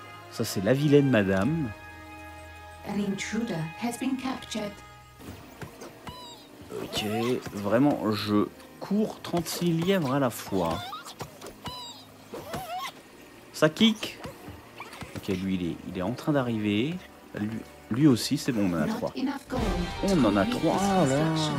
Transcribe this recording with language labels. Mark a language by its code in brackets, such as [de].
[fr] Ça, c'est la vilaine madame. [en] An intruder has been captured. [fr] Ok, vraiment, je cours 36 lièvres à la fois. Ça kick. Ok, lui, il est en train d'arriver. Lui aussi, c'est bon, on en a 3. On en a 3, là.